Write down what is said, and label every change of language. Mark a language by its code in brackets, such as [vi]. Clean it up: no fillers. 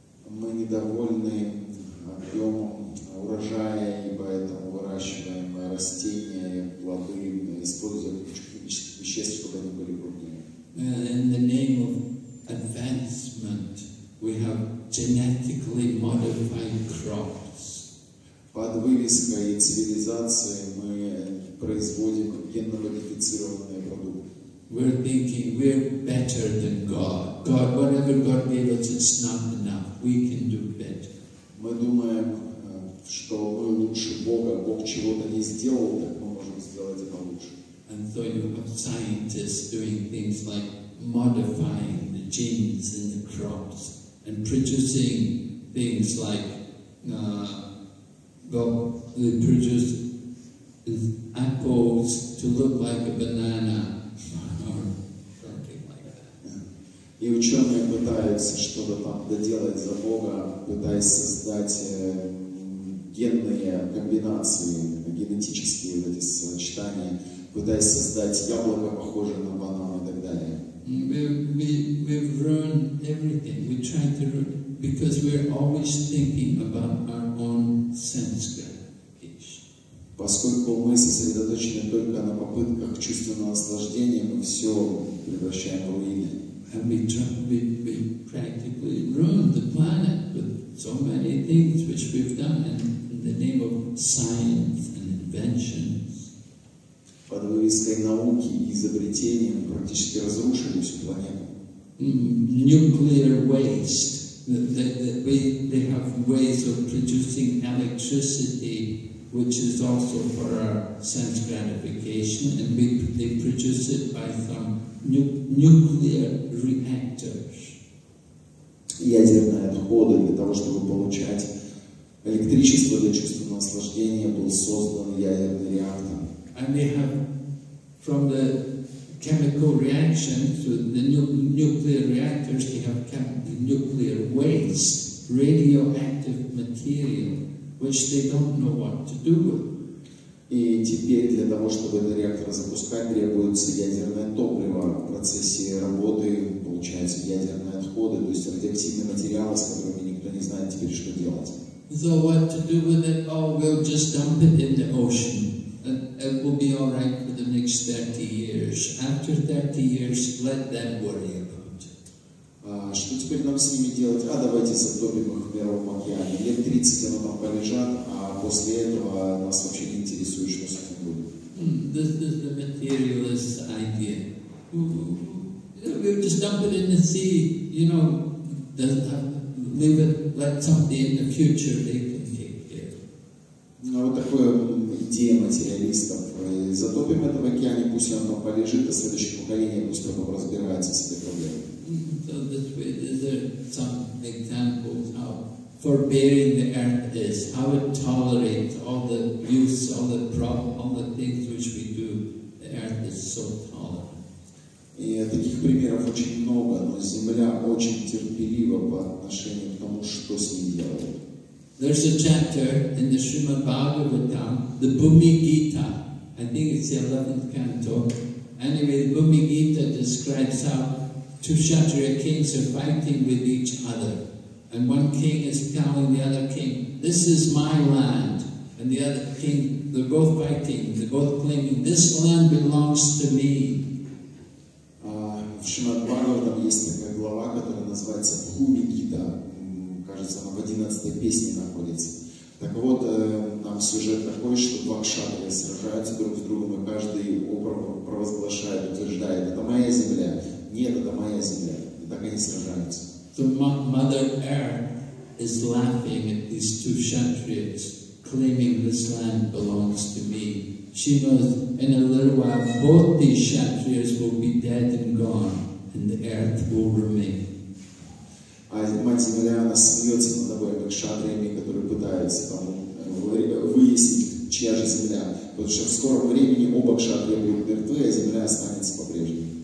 [ru] Мы недовольны объемом урожая, и поэтому выращиваем растения, плоды, используя веществ, чтобы они были крупнее. [en] In the name of advancement, we have genetically modified crops. [ru] Под вывеской цивилизации мы производим генно-модифицированные продукты. [en] We're thinking we're better than God. God, whatever God gave us, it's not enough. We can do better. [ru] Мы думаем, что мы лучше Бога. Бог чего-то не сделал, так мы можем сделать это лучше. [en] And so you have scientists doing things like modifying the genes in the crops and producing things like they produce apples to look like a banana or something like that. [ru] И ученые пытаются что-то там доделать за Бога, пытаясь создать генные комбинации, генетические вот эти сочетания, пытаясь создать яблоко, похожее на банан и так далее. [en] We've ruined everything. We try to ruin because we're always thinking about our own sense gratification. [ru] Поскольку мы сосредоточены только на попытках чувственного наслаждения, мы все превращаем в руины. [en] And we practically ruined the planet with so many things which we've done in the name of science and invention. [ru] Под вывеской науки и изобретения мы практически разрушили всю планету. [en] Nuclear waste. They have ways of producing electricity, which is also for our sense gratification, and they produce it by some nuclear reactors. [ru] Ядерные отходы для того, чтобы получать электричество для чувственного наслаждения, был создан ядерный реактор. [en] And they have from the chemical reactions with the nuclear reactors, they have the nuclear waste, radioactive material, which they don't know what to do with. [ru] И теперь для того, чтобы этот реактор запускать, требуется ядерное топливо. В процессе работы получаются ядерные отходы, то есть радиоактивные материалы, с которыми никто не знает теперь, что делать. [en] So what to do with it? Oh, we'll just dump it in the ocean. It will be all right for the next 30 years. After 30 years, let them worry about it. [ru] Что теперь нам с ними делать? А давайте затопим их в Мировом океане. Лет 30 оно там полежат, а после этого нас вообще не интересует, что с этим будет. [en] This is the materialist idea. We'll just dump it in the sea, you know, leave it, let something in the future they can take care. [ru] Ну, вот такое идея материалистов. Затопим это в океане, пусть оно полежит, а следующее поколение пусть оно разбирается с этой проблемой. [en] So these are some examples how forbearing the earth is, how it tolerates all the use, all the problems, all the things which we do. The earth is so tolerant. [ru] И таких примеров очень много, но Земля очень терпелива по отношению к тому, что с ней делают. [en] There's a chapter in the Srimad Bhagavatam, the Bhumi Gita. I think it's the 11th canto. Anyway, the Bhumi Gita describes how two Kshatriya kings are fighting with each other. And one king is telling the other king, this is my land. And the other king, they're both fighting, they're both claiming, this land belongs to me. [ru] В Шримад Бхагаватам есть такая глава, которая называется Бхуми Гита. Кажется, она в 11-й песне находится. Так вот, там сюжет такой, что два кшатрия сражаются друг с другом, и каждый провозглашает, утверждает, это моя земля. Нет, это моя земля. И так они сражаются. [en] So Mother Earth is laughing at these two kshatriyas, claiming this land belongs to me. She knows in a little while both these kshatriyas will be dead and gone, and the earth will remain. [ru] А мать земля, она смеется над тобой, как кшатриями, которые пытаются там выяснить, чья же земля. Потому что в скором времени оба кшатрия будут мертвы, а земля останется по-прежнему.